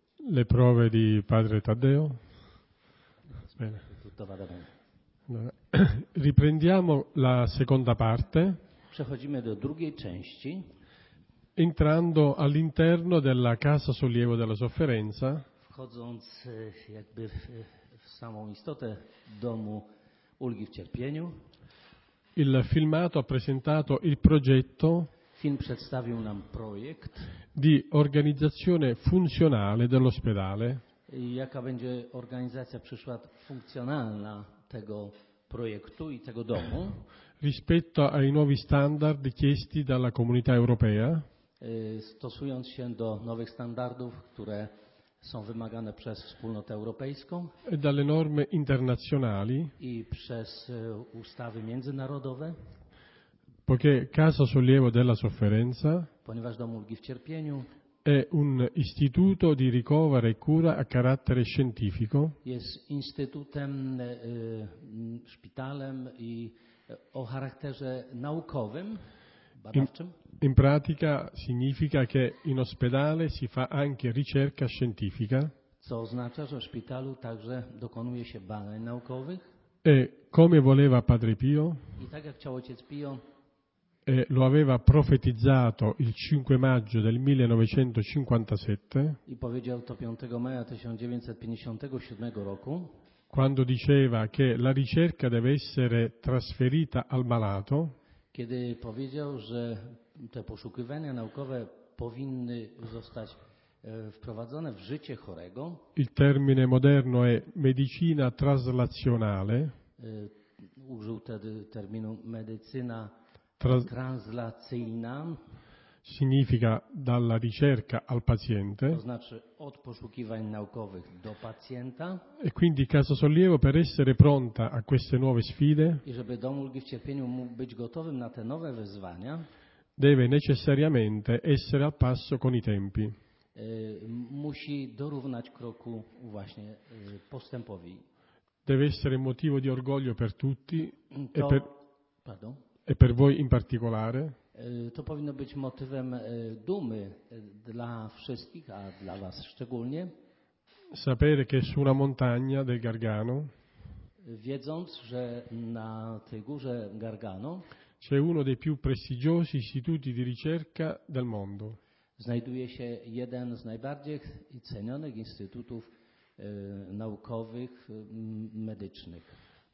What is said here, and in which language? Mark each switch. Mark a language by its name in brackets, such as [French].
[Italian] Le prove di padre Taddeo. Bene. Tutto va bene. Riprendiamo la seconda parte. [Polish] Przechodzimy do drugiej części. [Italian] Entrando all'interno della casa sollievo della sofferenza. [Polish] Wchodząc jakby w samą istotę domu ulgi w cierpieniu. [Italian] Il filmato ha presentato il progetto. [Polish] Film przedstawił nam projekt. [Italian] Di organizzazione funzionale dell'ospedale. [Polish] Jaka będzie organizacja przyszła funkcjonalna tego projektu i tego domu. [Italian] Rispetto ai nuovi standard chiesti dalla comunità europea. [Polish] Stosując się do nowych standardów, które są wymagane przez wspólnotę europejską. [Italian] E dalle norme internazionali. [Polish] I przez ustawy międzynarodowe. [Italian] Poiché Casa Sollievo della Sofferenza. [Polish] Ponieważ dom ulgi w cierpieniu. [Italian] È un istituto di ricovero e cura a carattere scientifico. [Polish] Jest instytutem, szpitalem i o charakterze naukowym, badawczym. [Italian] In pratica significa che in ospedale si fa anche ricerca scientifica. [Polish] Co oznacza, że w szpitalu także dokonuje się badań naukowych. [Italian] E come voleva Padre Pio. [Polish] I tak jak chciał ojciec Pio. [Italian] E lo aveva profetizzato il 5 maggio del 1957. [Polish] I powiedział to 5 maja 1957 roku. [Italian] Quando diceva che la ricerca deve essere trasferita al malato. [Polish] Kiedy powiedział, że te poszukiwania naukowe powinny zostać wprowadzone w życie chorego. [Italian] Il termine moderno è medicina traslazionale. [Polish] Użył wtedy terminu medycyna translacyjna. [Italian] Significa dalla ricerca al paziente. [Polish] To znaczy od poszukiwań naukowych do pacjenta. [Italian] E quindi Casa Sollievo per essere pronta a queste nuove sfide. [Polish] I żeby dom ulgi w cierpieniu mógł być gotowym na te nowe wyzwania. [Italian] Deve necessariamente essere al passo con i tempi. [Polish] Musi dorównać kroku właśnie postępowi. [Italian] deve essere motivo di orgoglio per tutti e per voi in particolare. [Polish] To powinno być motywem dumy dla wszystkich, a dla was szczególnie. [Italian] Sapere che su una montagna del Gargano, [Polish] wiedząc, że na tej górze Gargano [Italian] c'è uno dei più prestigiosi istituti di ricerca del mondo. [Polish] Znajduje się jeden z najbardziej cenionych instytutów naukowych, medycznych.